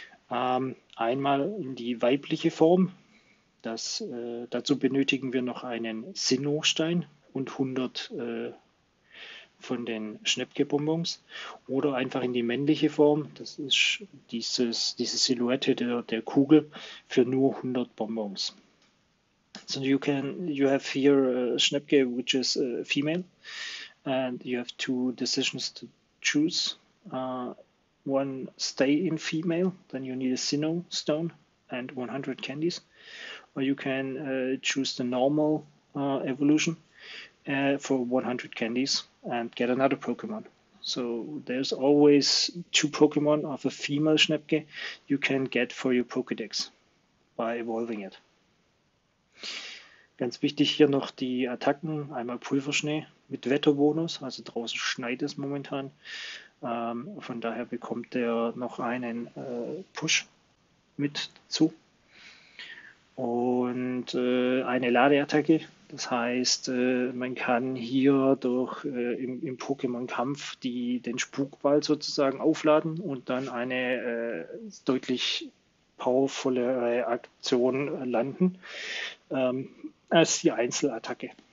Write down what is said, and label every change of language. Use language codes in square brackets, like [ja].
[de] Einmal die weibliche Form. Dazu benötigen wir noch einen Sinnhochstein und 100 von den Schnepke-Bonbons. Oder einfach in die männliche Form. Das ist diese Silhouette der Kugel für nur 100 Bonbons. [en] So you have here Schnepke, which is female, and you have two decisions to choose. One stay in female, then you need a Sinnoh stone and 100 candies, or you can choose the normal evolution for 100 candies and get another Pokémon. So there's always two Pokémon of a female Schnepke you can get for your Pokédex by evolving it. [de] Ganz wichtig hier noch die Attacken, einmal Pulverschnee mit Wetterbonus, also draußen schneit es momentan. Von daher bekommt er noch einen Push mit zu. Und eine Ladeattacke. Das heißt, man kann hier durch im Pokémon-Kampf den Spukball sozusagen aufladen und dann eine deutlich powervollere Aktion landen als die Einzelattacke.